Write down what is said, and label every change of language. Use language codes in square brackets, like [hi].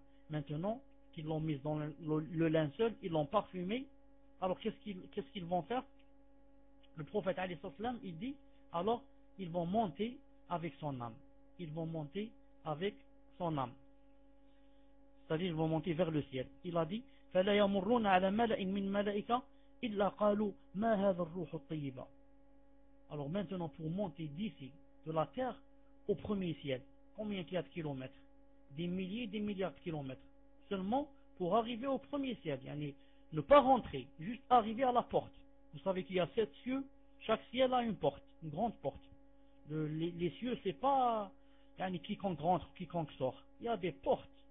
[fr] Maintenant qu'ils l'ont mise dans le linceul, ils l'ont parfumé. Alors qu'est-ce qu'ils vont faire? Le prophète alayhi sallam, il dit, alors ils vont monter avec son âme. Ils vont monter avec son âme. C'est-à-dire ils vont monter vers le ciel. Il a dit, [ar] فَلَا يَمُرُّونَ عَلَى مَلَئٍ مِّن مَلَئِكَ إِلَّا قَالُوا مَا هَذَا الرُّوحُ الطَّيِّبَ. [fr] Alors maintenant pour monter d'ici, de la terre au premier ciel, combien qu'il y a de kilomètres? Des milliers, des milliards de kilomètres. Seulement pour arriver au premier ciel. Yani, ne pas rentrer, juste arriver à la porte. Vous savez qu'il y a sept cieux. Chaque ciel a une porte, une grande porte. Les cieux, c'est pas yani, quiconque rentre, quiconque sort. Il y a des portes.